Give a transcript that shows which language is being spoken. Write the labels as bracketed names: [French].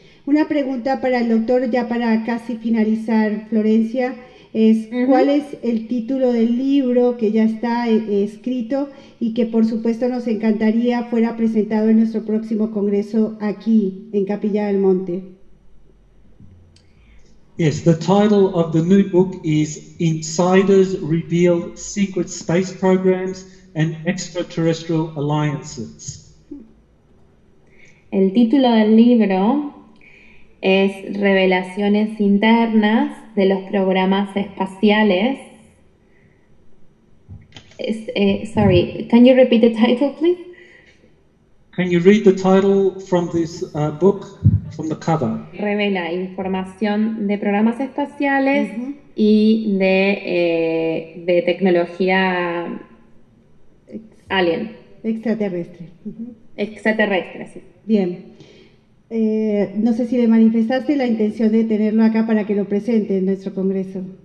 [Spanish] Una pregunta para el doctor, ya para casi finalizar, Florencia, es ¿cuál es el título del libro que ya está escrito y que por supuesto nos encantaría fuera presentado en nuestro próximo congreso aquí en Capilla del Monte? [English] Yes, the title of the new book is Insiders Reveal Secret Space Programs and Extraterrestrial Alliances. [Spanish] El título del libro es Revelaciones Internas de los programas espaciales. [English] Sorry, can you repeat the title, please? Can you read the title from this book, from the cover? [Spanish] Revela información de programas espaciales y de tecnología alien. Extraterrestre. Extraterrestre, sí. Bien. No sé si le manifestaste la intención de tenerlo acá para que lo presente en nuestro congreso.